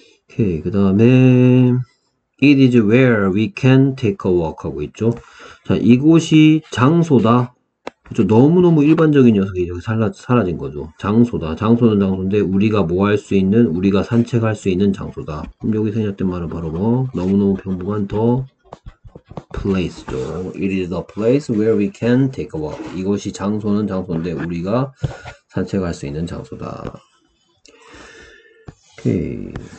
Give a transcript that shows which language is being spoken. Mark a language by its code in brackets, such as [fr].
[ko] 오케이. 그다음에 [en] It is where we can take a walk [ko] 하고 있죠. 자, 이곳이 장소다. 그렇죠? 너무너무 일반적인 녀석이 여기 사라진 거죠. 장소다. 장소는 장소인데 우리가 뭐할수 있는 우리가 산책할 수 있는 장소다. 그럼 여기 생략된 말은 바로 뭐? 너무너무 평범한 더 [en] place죠. It is a place where we can take a walk. [ko] 이것이 장소는 장소인데 우리가 산책할 수 있는 장소다. 오케이.